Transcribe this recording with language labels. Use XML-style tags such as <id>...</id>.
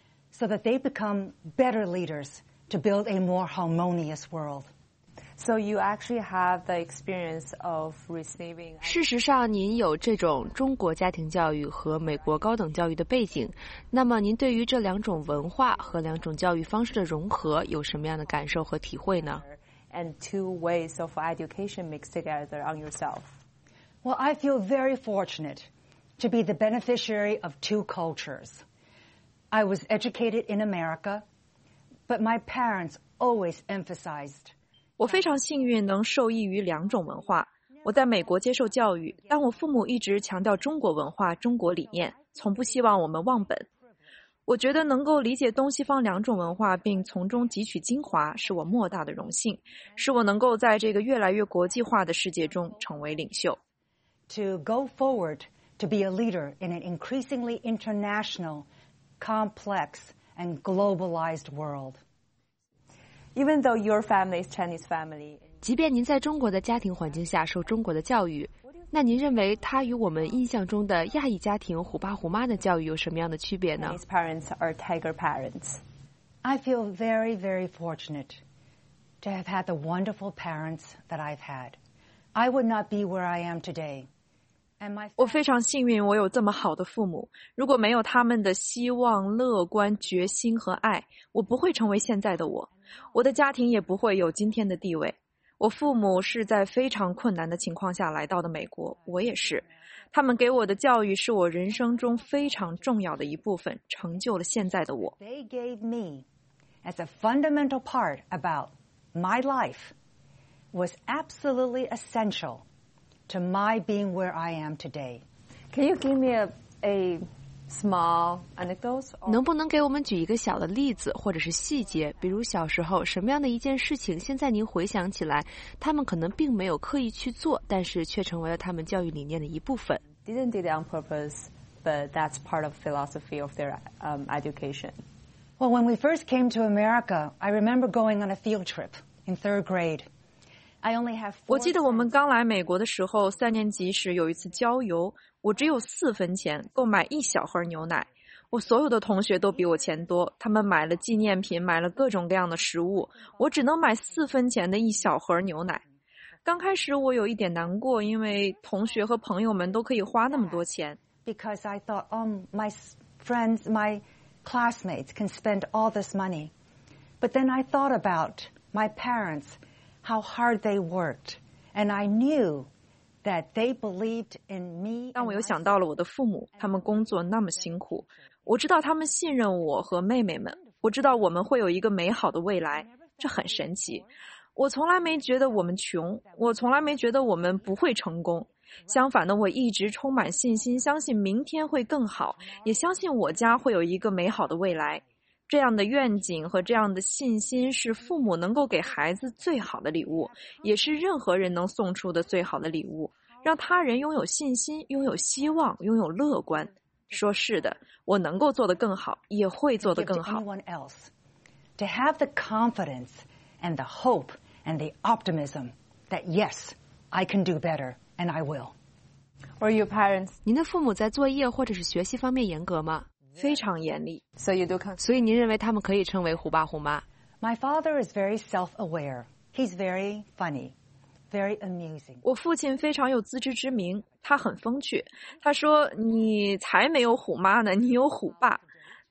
<en>So that they become better leaders to build a more harmonious world. So you actually have the experience of receiving.</en> <zh>事实上，您有这种中国家庭教育和美国高等教育的背景，那么您对于这两种文化和两种教育方式的融合有什么样的感受和体会呢</zh> <en>？And two ways of education mixed together on yourself. Well, I feel very fortunate to be the beneficiary of two cultures. I was educated in America, but my parents always emphasized.</en> <zh>我非常幸运能受益于两种文化。我在美国接受教育，但我父母一直强调中国文化、中国理念，从不希望我们忘本。我觉得能够理解东西方两种文化并从中汲取精华是我莫大的荣幸，是我能够在这个越来越国际化的世界中成为领袖。</zh> <en>To go forward to be a leader in an increasingly international, complex and globalized world. Even though your family is Chinese family,</en> <zh>即便您在中国的家庭环境下受中国的教育，那您认为它与我们印象中的亚裔家庭虎爸虎妈的教育有什么样的区别呢</zh> <en>？Chinese parents are tiger parents. I feel very, very fortunate to have had the wonderful parents that I've had. I would not be where I am today. And my</en> <zh>我非常幸运，我有这么好的父母。如果没有他们的希望、乐观、决心和爱，我不会成为现在的我。我的家庭也不会有今天的地位。我父母是在非常困难的情况下来到的美国，我也是。他们给我的教育是我人生中非常重要的一部分，成就了现在的我。</zh> <en>They gave me as a fundamental part about my life was absolutely essential to my being where I am today. Can you give me a small anecdotes?</en> <zh>能不能给我们举一个小的例子或者是细节，比如小时候什么样的一件事情现在您回想起来他们可能并没有刻意去做，但是却成为了他们教育理念的一部分。</zh> <en>Didn't do it on purpose, but that's part of philosophy of their education. Well, when we first came to America, I remember going on a field trip in third grade. I only have</en> <zh>我记得我们刚来美国的时候，三年级时有一次郊游，我只有4分钱购买一小盒牛奶。我所有的同学都比我钱多，他们买了纪念品，买了各种各样的食物，我只能买4分钱的一小盒牛奶。刚开始我有一点难过，因为同学和朋友们都可以花那么多钱。</zh> <en>Because I thought, my friends, my classmates can spend all this money. But then I thought about my parents, how hard they worked, and I knew. That they believed in me.</en> <zh>但我又想到了我的父母，他们工作那么辛苦，我知道他们信任我和妹妹们，我知道我们会有一个美好的未来，这很神奇。我从来没觉得我们穷，我从来没觉得我们不会成功，相反呢，我一直充满信心，相信明天会更好，也相信我家会有一个美好的未来。这样的愿景和这样的信心是父母能够给孩子最好的礼物，也是任何人能送出的最好的礼物，让他人拥有信心，拥有希望，拥有乐观，说是的，我能够做得更好，也会做得更好。</zh> <en>To give to anyone else, to have the confidence and the hope and the optimism that yes, I can do better and I will. Or your parents?</en> <zh>您的父母在作业或者是学习方面严格吗？非常严厉。</zh> <en>So you do come.</en> <zh>所以您认为他们可以称为虎爸虎妈？</zh> <en>My father is very self-aware. He's very funny. Very amusing.</en> <zh>我父亲非常有自知之明，他很风趣。他说：“你才没有虎妈呢，你有虎爸。”</zh>